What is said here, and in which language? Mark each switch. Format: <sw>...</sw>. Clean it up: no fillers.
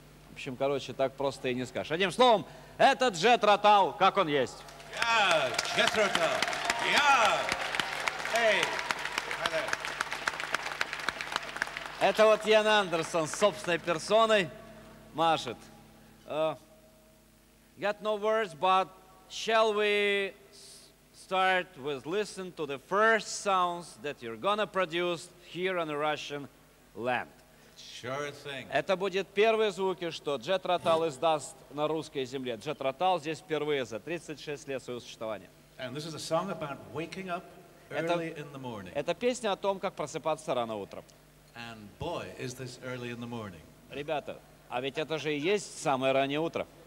<ru>В общем, короче, так просто и не скажешь. Одним словом, это Jethro Tull, как он есть. Я Jethro Tull. Я. Эй. Это вот Ян Андерсон с собственной персоной машет.</ru> <en>Got no words, but shall we start with listen to the first sounds that you're gonna produce here on the Russian land? Sure thing.</en> <ru>Это будет первые звуки, что Jethro Tull издаст на русской земле. Jethro Tull здесь впервые за 36 лет своего существования.</ru> <en>And this is a song about waking up early in the morning.</en> <ru>Это песня о том, как просыпаться рано утром.</ru> <en>And boy, is this early in the morning.</en> <ru>Ребята, а ведь это же и есть самое раннее утро.</ru>